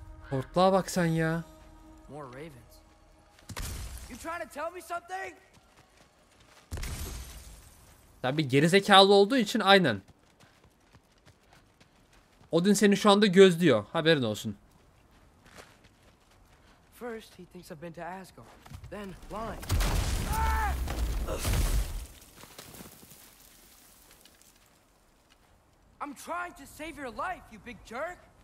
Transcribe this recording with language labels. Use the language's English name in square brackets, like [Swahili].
[Turkish] Hortlağa bak sen ya. [English] More ravens. You trying to tell me something? [Turkish] Tabii gerizekalı olduğu için aynen. Odin seni şu anda gözlüyor. Haberin olsun. [English] First he thinks I've been to Asgard. Then line. I'm trying to save your life, you big jerk.